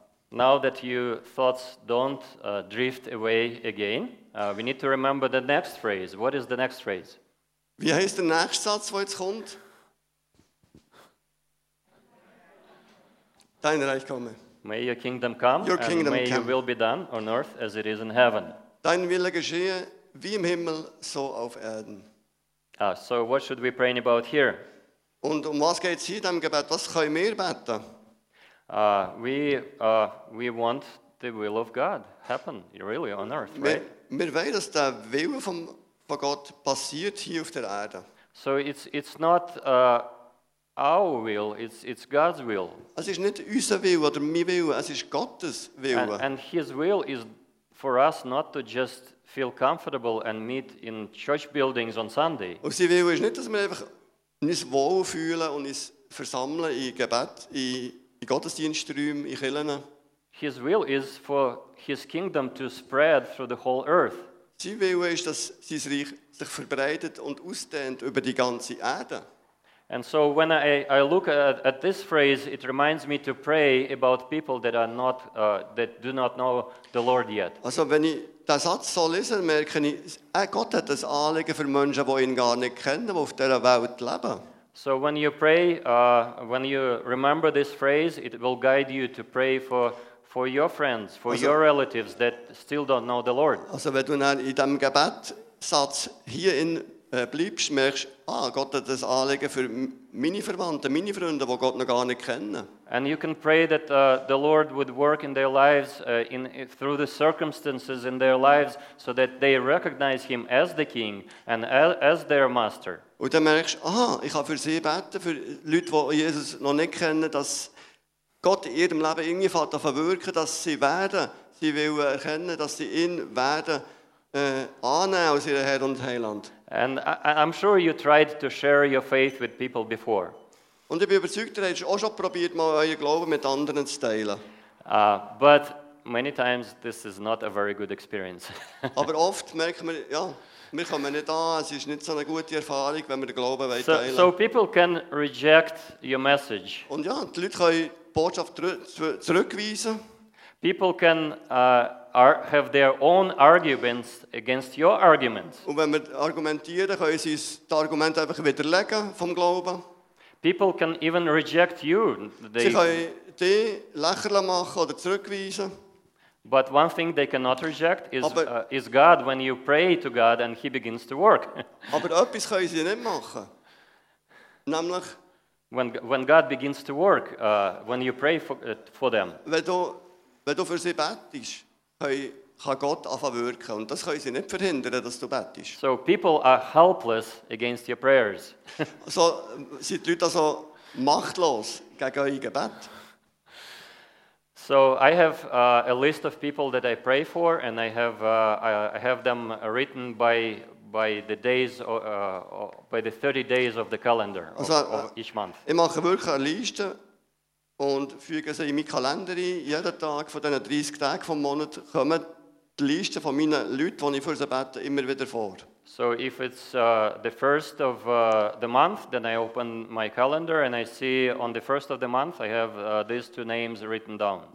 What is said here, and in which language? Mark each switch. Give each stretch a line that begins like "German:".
English: Now that your thoughts don't drift away again, we need to remember the next phrase. What is the next phrase?
German: Wie heißt der nächste Satz, der jetzt kommt? Dein Reich komme.
English: May your kingdom come, your kingdom and may come. Your will be done on earth as it is in heaven.
German: Dein Wille geschehe wie im Himmel, so auf Erden.
English: So what should we pray about here?
German: Und was geht's hier in dem Gebet? Was können wir beten?
English: We want the will of God happen really on earth, right?
German: Wir wollen, dass der Wille von Gott passiert hier auf der Erde.
English: So it's not our will, it's God's will.
German: Es ist nicht unser Wille oder mein Wille, es ist Gottes Wille.
English: And his will is for us not to just feel comfortable and meet in church buildings on Sunday.
German: Und sein Wille ist nicht, dass wir einfach uns wohlfühlen und uns versammeln in Gebet, in Gottesdiensträumen, in Kirchen.
English: His will is for his kingdom to spread through the whole earth.
German: Sein Wille ist, dass sein Reich sich verbreitet und ausdehnt über die ganze Erde.
English: And so when I look at this phrase, it reminds me to pray about people that are not that do not know the Lord yet.
German: Also, wenn ich den Satz so lese, merke ich, Gott hat das Anliegen für Menschen, die ihn gar nicht kennen, die auf dieser Welt leben.
English: So when you pray, when you remember this phrase, it will guide you to pray for your friends, for also, your relatives that still don't know the Lord.
German: Also, wenn du dann in dem Gebetsatz hier in bleibst, merkst, Gott hat das Anliegen für meine Verwandten, meine Freunde, die Gott noch gar nicht kennen.
English: And you can pray that the Lord would work in their lives in through the circumstances in their lives so that they recognize him as the king and as their master.
German: Und dann merkst, ich kann für sie beten, für Leute, die Jesus noch nicht kennen, dass Gott in ihrem Leben irgendwie fährt, davon wirken, dass sie werden, sie will erkennen, dass sie ihn werden annehmen als ihren Herr und Heiland.
English: And I'm sure you tried to share your faith with people before.
German: Und ich bin überzeugt, ihr habt auch schon probiert, mal euer Glauben mit anderen zu teilen.
English: But many times this is not a very good experience.
German: Aber oft merkt man, wir kommen nicht an, es ist nicht so eine gute Erfahrung, wenn wir den Glauben teilen.
English: So people can reject your message.
German: Und die Leute können die Botschaft zurückweisen.
English: People can have their own arguments against your arguments.
German: Und wenn wir argumentieren, können sie das Argument einfach widerlegen vom Glauben.
English: People can even reject you.
German: Sie können die lächerlich machen oder zurückweisen.
English: But one thing they cannot reject is God. When you pray to God and he begins to work.
German: Aber etwas können sie nicht machen. Nämlich,
English: when God begins to work, when you pray for them.
German: Wenn du für sie betest, kann Gott anfangen wirken. Und das können sie nicht verhindern, dass du betest.
English: So people are helpless against your prayers.
German: So sind die Leute also machtlos gegen euer Gebet.
English: So I have a list of people that I pray for and I have them written by the days by the 30 days of the calendar of each month.
German: Ich mache wirklich eine Liste und füge sie in meinen Kalender ein. Jeden Tag von diesen 30 Tagen vom Monat kommen die Liste von meinen Leuten, die ich für sie bete, immer wieder vor.
English: So if it's the first of the month, then I open my calendar and I see on the first of the month I have these two names written down.